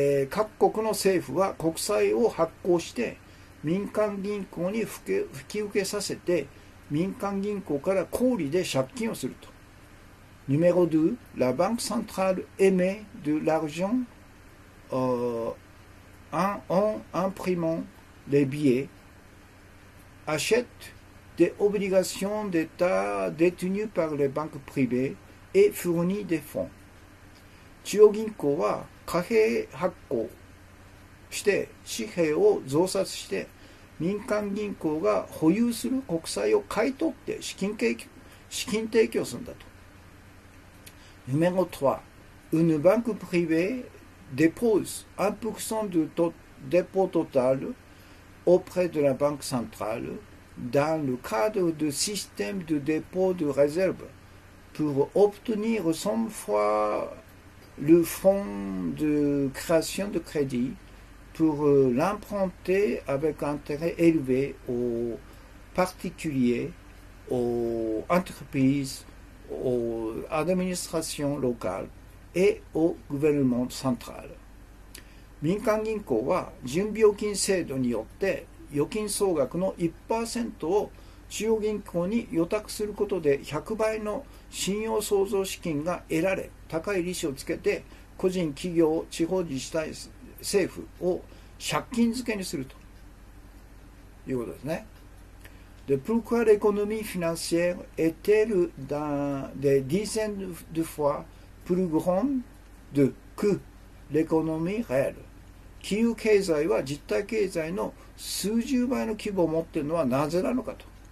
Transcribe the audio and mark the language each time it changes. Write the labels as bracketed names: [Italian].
[Japanese] 各国の政府は国債を発行して民間銀行に引き受けさせて民間銀行から高利で借金をすると。 [French] Numéro 2. La banque centrale émet de l'argent en imprimant les billets, achète des obligations d'État détenues par les banques privées et fournit des fonds. [Japanese] 中央銀行は貨幣発行して紙幣を増刷して民間銀行が保有する国債を買い取って資金提供するんだと。 [French] Numéro 3. Une banque privée dépose 1% du totdépôt total auprès de la banque centrale dans le cadre du système de dépôt de réserve pour obtenir 100 fois le fonds de création de crédit pour l'emprunter avec intérêt élevé aux particuliers, aux entreprises, aux administrations locales et au gouvernement central. [Japanese] 民間銀行は準備預金制度によって預金総額の 1% を中央銀行に預託することで100倍の信用創造資金が得られ、高い利子をつけて個人、企業、地方自治体、政府を借金付けにするということですね。 [French] De pourquoi l'économie financière est-elle dans des dizaines de fois plus grande que l'économie réelle? [Japanese] 金融経済は実体経済の数十倍の規模を持っているのはなぜなのかと。